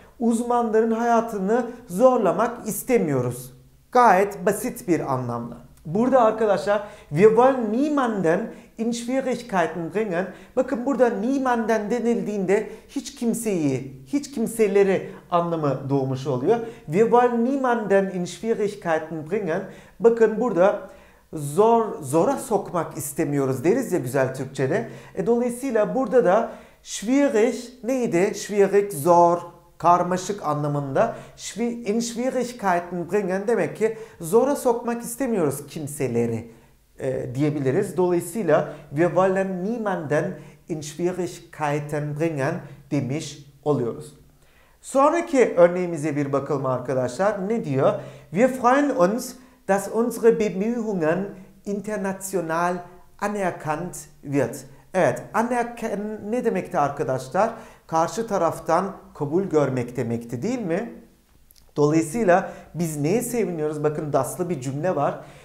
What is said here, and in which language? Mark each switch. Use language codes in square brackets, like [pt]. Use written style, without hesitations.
[tr] Uzmanların hayatını zorlamak istemiyoruz. Gayet basit bir anlamla. Burada arkadaşlar [de] wir wollen niemanden in Schwierigkeiten bringen. [tr] Bakın burada niemanden denildiğinde hiç kimseyi, hiç kimseleri anlamı doğmuş oluyor. [de] Wir wollen niemanden in Schwierigkeiten bringen. [tr] Bakın burada zora sokmak istemiyoruz deriz ya güzel Türkçe'de. Dolayısıyla burada da schwierig neydi? Schwierig, zor, karmaşık anlamında. [de] In Schwierigkeiten bringen [tr] demek ki zora sokmak istemiyoruz kimseleri diyebiliriz. [de] Dolayısıyla wir wollen niemanden in Schwierigkeiten bringen [tr] demiş oluyoruz. Sonraki örneğimize bir bakalım arkadaşlar. Ne diyor? [de] Wir freuen uns, dass unsere Bemühungen international anerkannt wird. [tr] Evet, anerkennen ne demekti arkadaşlar? karşı taraftan kabul görmek demekti değil mi? Dolayısıyla biz neye seviniyoruz? Bakın Daslı bir cümle var.